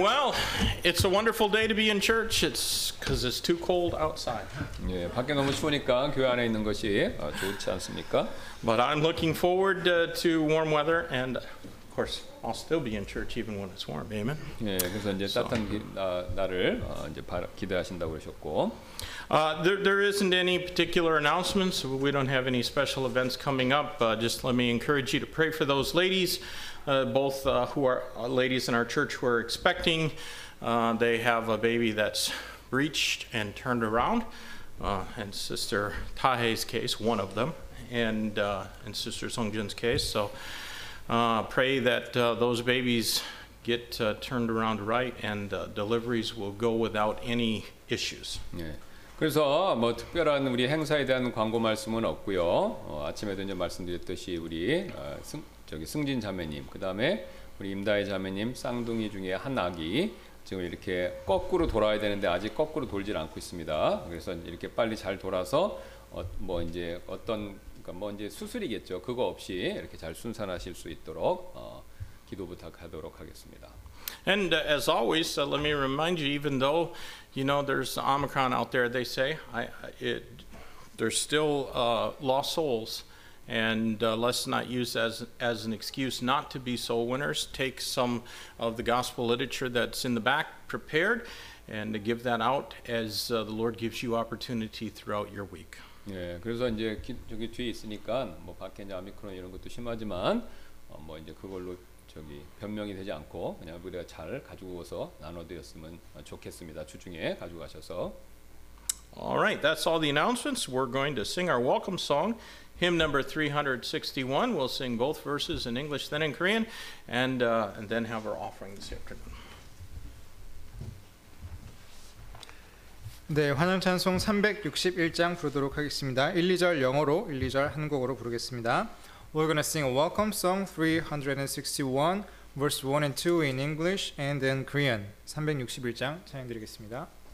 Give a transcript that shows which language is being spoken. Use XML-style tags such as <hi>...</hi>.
<en>Well, it's a wonderful day to be in church. It's because it's too cold outside.</en> <ko>예, 밖에 너무 추우니까 교회 안에 있는 것이 좋지 않습니까?</ko> <en>But I'm looking forward to warm weather, and of course, I'll still be in church even when it's warm. Amen.</en> <ko>예, 그래서 이제 따뜻한 날을 이제 기대하신다고 하셨고.</ko> <en>There isn't any particular announcements. We don't have any special events coming up. Just let me encourage you to pray for those ladies, both who are ladies in our church who are expecting. They have a baby that's breached and turned around, and Sister Tahe's case, one of them, and Sister Songjin's case. So pray that those babies get turned around right, and deliveries will go without any issues. Yeah.</en> <ko>그래서 뭐 특별한 우리 행사에 대한 광고 말씀은 없고요. 아침에도 이제 말씀드렸듯이 우리 승진 자매님, 그다음에 우리 임다혜 자매님 쌍둥이 중에 한 아기 지금 이렇게 거꾸로 돌아야 되는데 아직 거꾸로 돌질 않고 있습니다. 그래서 이렇게 빨리 잘 돌아서 뭐 이제 어떤 그러니까 뭐 이제 수술이겠죠. 그거 없이 이렇게 잘 순산하실 수 있도록 기도 부탁하도록 하겠습니다.</ko> <en>And as always, let me remind you, even though, you know, there's Omicron out there, they say, there's still lost souls, and let's not use as an excuse not to be soul winners. Take some of the gospel literature that's in the back prepared and give that out as the Lord gives you opportunity throughout your week.</en> <ko>예, 그래서 이제 저기 뒤에 있으니까 뭐 밖에 이제 오미크론 이런 것도 심하지만 뭐 이제 그걸로 저기 변명이 되지 않고 그냥 우리가 잘 가지고 와서 나눠드렸으면 좋겠습니다. 주중에 가져가셔서.</ko> <en>All right, that's all the announcements. We're going to sing our welcome song, hymn number 361. We'll sing both verses in English, then in Korean, and then have our offering this afternoon.</en> <ko>네, 환영 찬송 361장 부르도록 하겠습니다. 1, 2절 영어로, 1, 2절 한국어로 부르겠습니다.</ko> <en>We're going to sing a welcome song, 361, verse 1 and 2 in English and then Korean.</en> <ko>361장 찬양드리겠습니다.</ko>